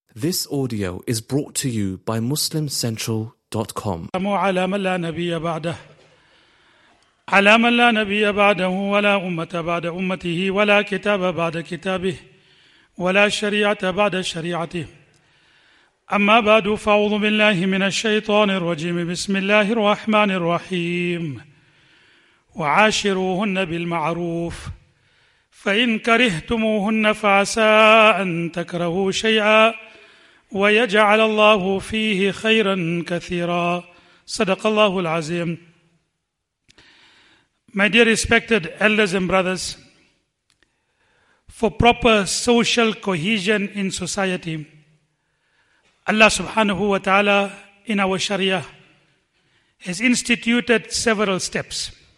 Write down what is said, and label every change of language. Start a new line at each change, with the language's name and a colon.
English: This audio is brought to you by MuslimCentral.com.
Arabic: على من لا نبي بعده على من لا نبي بعده ولا أمة بعد أمته ولا كتاب بعد كتابه ولا شريعة بعد شريعته أما بعد فأعوذ بالله من الشيطان الرجيم بسم الله الرحمن الرحيم وعاشروهن بالمعروف فإن كرهتموهن فعسى أن تكرهوا شيئا ويجعل الله فيه خيرا كثيرا صدق الله العظيم.
English: My dear respected elders and brothers, for proper social cohesion in society, Allah subhanahu wa ta'ala in our Sharia has instituted several steps.